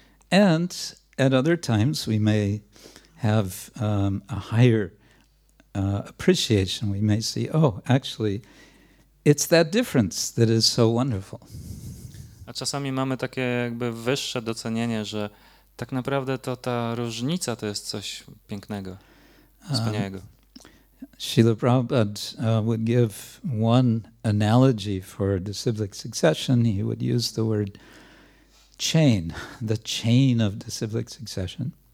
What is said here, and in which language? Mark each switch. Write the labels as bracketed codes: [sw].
[en] And at other times we may have a higher appreciation. We may see, oh, actually, it's that difference that is so wonderful. [pl] A czasami mamy takie jakby wyższe docenienie, że tak naprawdę to ta różnica to jest coś pięknego, wspaniałego. [en] Srila Prabhupada would give one analogy for the disciplic succession. He would use the word chain, the chain of the disciplic succession.